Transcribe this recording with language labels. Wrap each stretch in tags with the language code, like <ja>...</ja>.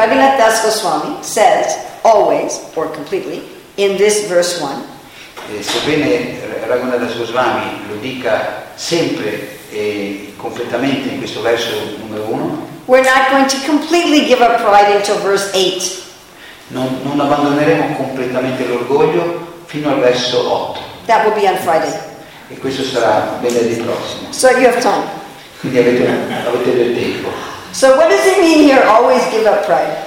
<en>Raghunath Das Goswami says always or completely in this verse 1.</en> <it>Sebbene Raghunath Das Goswami lo dica sempre e completamente in questo verso numero 1.</it> <en>We're not going to completely give up pride until verse 8.</en> <it>Non abbandoneremo completamente l'orgoglio fino al verso 8.</it> <en>That will be on Friday.</en> <it>E questo sarà venerdì prossimo.</it> <en>So you have time.</en> <it>Quindi avete del tempo.</it> <en>So what does it mean here, always give up pride?</en>